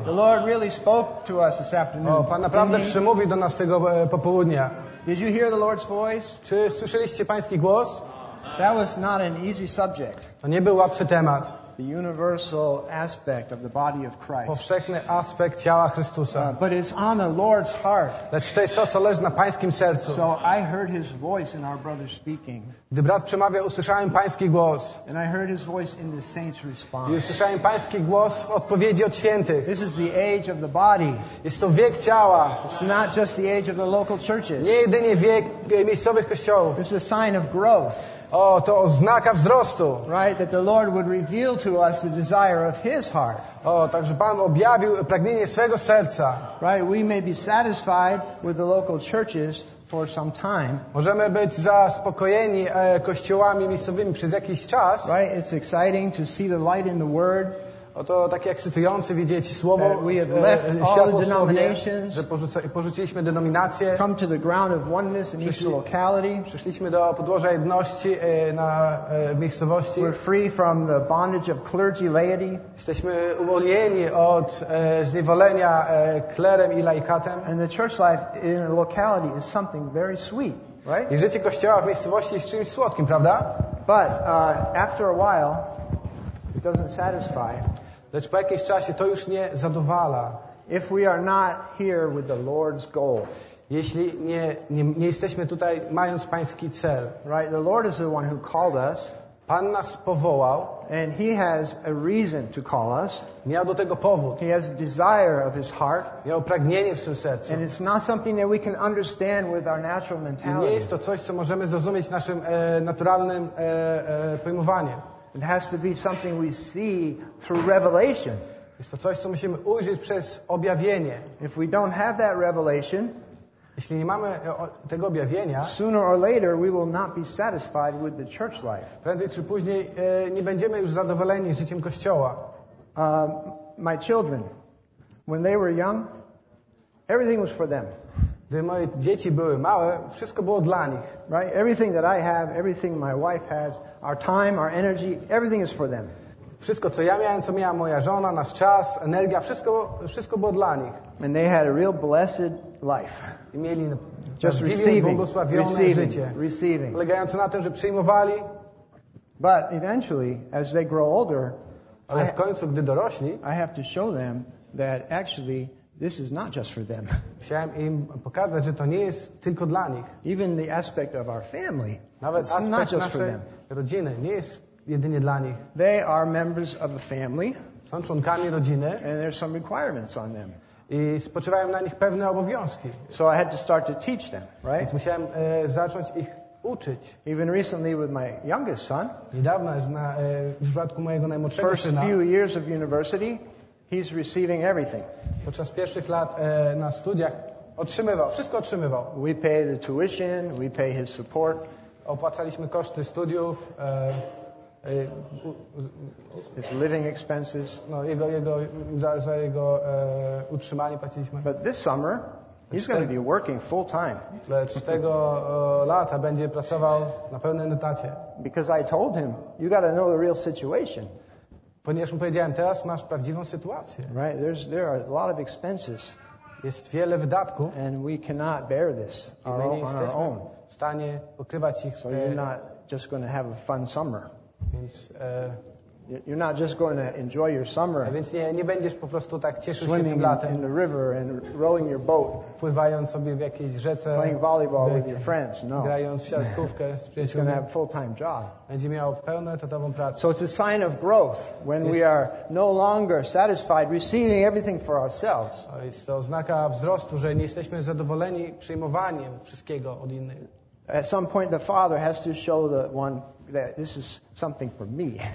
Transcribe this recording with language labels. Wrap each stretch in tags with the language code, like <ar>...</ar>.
<en>The Lord really spoke to us this afternoon.</en> <pl>O, Pan naprawdę przemówił do nas tego popołudnia.</pl> <en>Did you hear the Lord's voice?</en> <pl>Czy słyszeliście Pański głos?</pl> <en>That was not an easy subject.</en> <pl>To nie był łatwy temat.</pl> <en>The universal aspect of the body of Christ.</en> <pl>Powszechny aspekt ciała Chrystusa.</pl> <en>But it's on the Lord's heart.</en> <pl>Lecz to jest to, co leży na Pańskim sercu.</pl> <en>So I heard his voice in our brother speaking.</en> <pl>Gdy brat przemawiał, usłyszałem Pański głos.</pl> <en>And I heard his voice in the saints' response.</en> <pl>I usłyszałem Pański głos w odpowiedzi od świętych.</pl> <en>This is the age of the body.</en> <pl>Jest to wiek ciała.</pl> <en>It's not just the age of the local churches.</en> <pl>Nie jedynie wiek miejscowych kościołów.</pl> <en>This is a sign of growth.</en> <pl>O, to oznaka wzrostu.</pl> <en>Right, that the Lord would reveal to us the desire of His heart.</en> <pl>O, także Pan objawił pragnienie swego serca.</pl> <en>Right, we may be satisfied with the local churches for some time.</en> <pl>Możemy być zaspokojeni kościołami miejscowymi przez jakiś czas.</pl> <en>Right, it's exciting to see the light in the Word.</en> <pl>O, to takie ekscytujące widzieć słowo.</pl> <en>We have left all the denominations.</en> <pl>Że porzuciliśmy denominacje.</pl> <en>Come to the ground of oneness in each locality.</en> <pl>Przyszliśmy do podłoża jedności na miejscowości.</pl> <en>We're free from the bondage of clergy laity.</en> <pl>Jesteśmy uwolnieni od zniewolenia klerem i laikatem.</pl> <en>And the church life in a locality is something very sweet, right?</en> <pl>I życie kościoła w miejscowości jest czymś słodkim, prawda?</pl> <en>But after a while it doesn't satisfy.</en> <pl>Lecz po jakimś czasie to już nie zadowala.</pl> <en>If we are not here with the Lord's goal.</en> <pl>Jeśli nie jesteśmy tutaj mając Pański cel.</pl> <en>Right, the Lord is the one who called us.</en> <pl>Pan nas powołał.</pl> <en>And he has a reason to call us.</en> <pl>Miał do tego powód.</pl> <en>He has a desire of his heart.</en> <pl>Miał pragnienie w swym sercu.</pl> <en>And it's not something that we can understand with our natural mentality.</en> <pl>I nie jest to coś, co możemy zrozumieć naszym naturalnym pojmowaniem.</pl> <en>It has to be something we see through revelation.</en> <pl>Jest to coś, co musimy ujrzeć przez objawienie.</pl> <en>If we don't have that revelation,</en> <pl>jeśli nie mamy tego objawienia,</pl> <en>sooner or later we will not be satisfied with the church life.</en> <pl>Prędzej czy później nie będziemy już zadowoleni z życiem kościoła.</pl> <en>My children, when they were young, everything was for them.</en> <pl>Gdy moje dzieci były małe, wszystko było dla nich.</pl> <en>Right? Everything that I have, everything my wife has, our time, our energy, everything is for them.</en> <pl>Wszystko, co ja miałem, co miała moja żona, nasz czas, energia, wszystko było dla nich.</pl> <en>And they had a real blessed life.</en> <pl>I mieli prawdziwie błogosławione życie.</pl> <en>Receiving.</en> <pl>Polegające na tym, że przyjmowali.</pl> <en>But eventually, as they grow older,</en> <pl>ale w końcu, gdy dorośli,</pl> <en>I have to show them that actually this is not just for them.</en> <pl>Chciałem im pokazać, że to nie jest tylko dla nich.</pl> <en>Even the aspect of our family,</en> <pl>nawet</pl> <en>it's not just for them.</en> <pl>Rodziny nie jest jedynie dla nich.</pl> <en>They are members of a family.</en> <pl>Są członkami rodziny.</pl> <en>And there's some requirements on them.</en> <pl>I spoczywają na nich pewne obowiązki.</pl> <en>So I had to start to teach them, right?</en> <pl>Więc musiałem zacząć ich uczyć.</pl> <en>Even recently with my youngest son.</en> <pl>Niedawno jest w przypadku mojego najmłodszego</pl> <en>first</en> <pl>syna.</pl> <en>First few years of university, he's receiving everything.</en> <pl>Podczas pierwszych lat na studiach otrzymywał, wszystko otrzymywał.</pl> <en>We pay the tuition, we pay his support.</en> <pl>Opłacaliśmy koszty studiów,</pl> <en>his living expenses.</en> <pl>No, jego utrzymanie płaciliśmy.</pl> <en>But this summer, he's going to be working full time.</en> <pl>Lecz tego lata będzie pracował na pełnej etacie.</pl> <en>Because I told him, you got to know the real situation.</en> <pl>Ponieważ mu powiedziałem, teraz masz prawdziwą sytuację.</pl> <en>Right, there are a lot of expenses.</en> <pl>Jest wiele wydatków.</pl> <en>And we cannot bear this on our own.</en> <pl>W stanie pokrywać ich.</pl> <en>So you're not just going to have a fun summer.</en> <pl>Więc,</pl> <en>you're not just going to enjoy your summer.</en> <pl>Więc nie będziesz po prostu tak cieszył się tym latem.</pl> <en>In the river and rowing your boat.</en> <pl>Pływając sobie w jakiejś rzece.</pl> <en>Playing volleyball with your friends.</en> <pl>No. Grając w siatkówkę z przyjaciółmi.</pl> <en>He's going to have a full-time job.</en> <pl>Będzie miał pełną etatową pracę.</pl> <en>So it's a sign of growth when we are no longer satisfied receiving everything for ourselves.</en> <pl>Jest to oznaka wzrostu, że nie jesteśmy zadowoleni przyjmowaniem wszystkiego od innych.</pl> <en>At some point, the father has to show the one that this is something for me.</en>